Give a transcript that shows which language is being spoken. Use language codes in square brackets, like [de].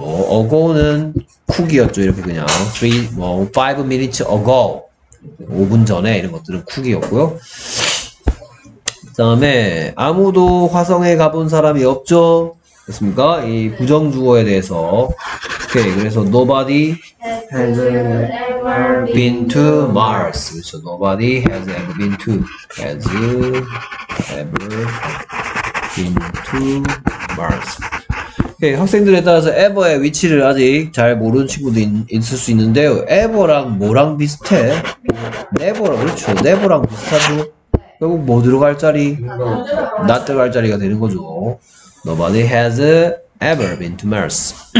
[ko] ago는 쿡이었죠. 이렇게 그냥 [en] five minutes ago [ko] 5분 전에 이런 것들은 쿡이었고요. 그다음에 아무도 화성에 가본 사람이 없죠. 됐습니까? 이 부정주어에 대해서 오케이. [en] 그래서 nobody has ever been to Mars. [ko] 그렇죠. [en] Nobody has ever been to has ever been to Mars. [ko] 오케이. 학생들에 따라서 ever의 위치를 아직 잘 모르는 친구도 있을 수 있는데요. ever랑 뭐랑 비슷해? never. 그렇죠. never랑 비슷하죠. 결국 뭐 들어갈 자리? not 들어갈 자리가 되는 거죠. [en] Nobody has ever been to Mars.